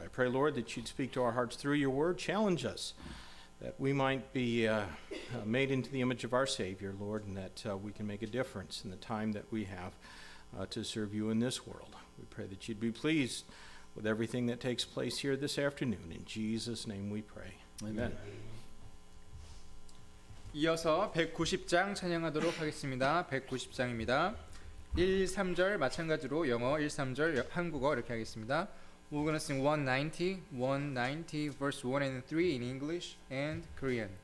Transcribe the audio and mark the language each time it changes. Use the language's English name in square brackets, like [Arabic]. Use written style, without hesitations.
[English] I pray, Lord, that you'd speak to our hearts through your word, challenge us, that we might be made into the image of our Savior, Lord, and that we can make a difference in the time that we have to serve you in this world. We pray that you'd be pleased with everything that takes place here this afternoon. In Jesus' name we pray. Amen. [Korean] 이어서 190장 찬양하도록 하겠습니다. 190장입니다. 1-3절 마찬가지로 영어 1-3절 한국어 이렇게 하겠습니다. [English] We're going to sing 190 verse 1 and 3 in English and Korean.